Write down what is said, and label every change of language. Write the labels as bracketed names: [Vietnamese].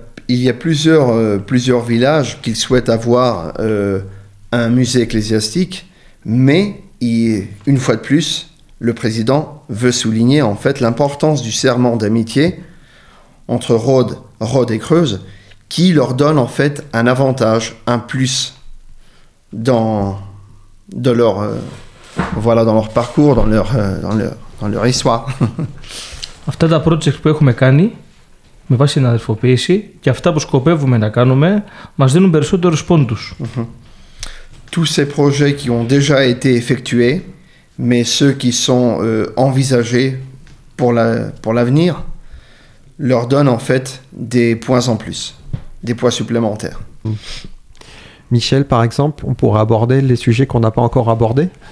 [French] Il y a plusieurs villages qui souhaitent avoir un musée ecclésiastique, mais une fois de plus, le président veut souligner en fait l'importance du serment d'amitié entre Rhodes et Creuse, qui leur donne en fait un avantage, un plus dans leur parcours, dans leur histoire. [Greek] Αυτά τα project που έχουμε κάνει. Με βάση την αδερφοποίηση και αυτά που σκοπεύουμε να κάνουμε μας δίνουν περισσότερους πόντους. [French] Tous ces projets qui ont déjà été effectués, mais ceux qui sont envisagés pour l'avenir, leur donnent en fait des points en plus, des points supplémentaires. Michel, par exemple, on pourrait aborder les sujets qu'on n'a pas encore abordés.